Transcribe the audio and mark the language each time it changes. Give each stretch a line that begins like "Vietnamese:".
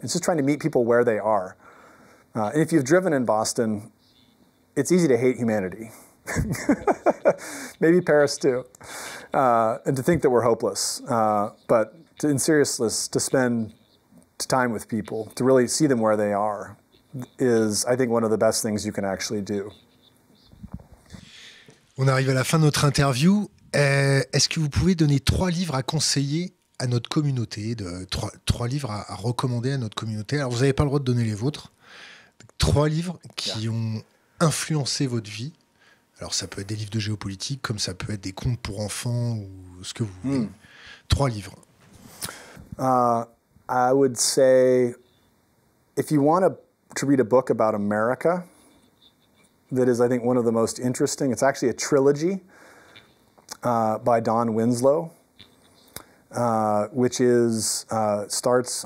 English: It's just trying to meet people where they are. And if you've driven in Boston, it's easy to hate humanity. Maybe Paris too, and to think that we're hopeless. But to spend time with people, to really see them where they are, is, I think, one of the best things you can actually do.
French: On arrive à la fin de notre interview. Est-ce que vous pouvez donner trois livres à conseiller à notre communauté, trois livres à recommander à notre communauté? Alors, vous n'avez pas le droit de donner les vôtres. Trois livres qui ont influencé votre vie. Alors, ça peut être des livres de géopolitique, comme ça peut être des contes pour enfants ou ce que vous voulez. Trois livres.
English: I would say, if you want to read a book about America, that is, I think, one of the most interesting. It's actually a trilogy by Don Winslow, which is starts.